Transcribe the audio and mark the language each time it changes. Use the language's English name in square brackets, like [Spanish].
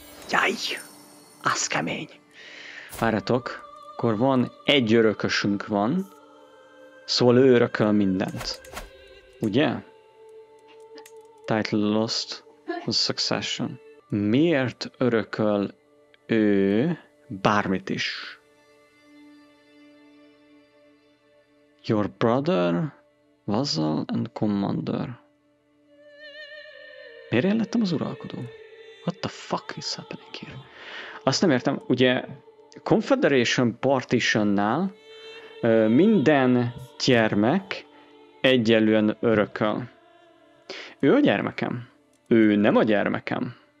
[Hungarian] Jaj, az kemény. Várjatok, akkor van, egy örökösünk van, szóval ő örököl mindent. Ugye? [English] Title lost, a succession. [Hungarian] Miért örököl ő bármit is? [English] Your brother, vassal and commander. [Hungarian] Miért én lettem az uralkodó? [English] What the fuck is happening here? [Hungarian] Azt nem értem, ugye Confederation Partition-nál minden gyermek egyenlően örököl. Ő a gyermekem. Ő nem a gyermekem.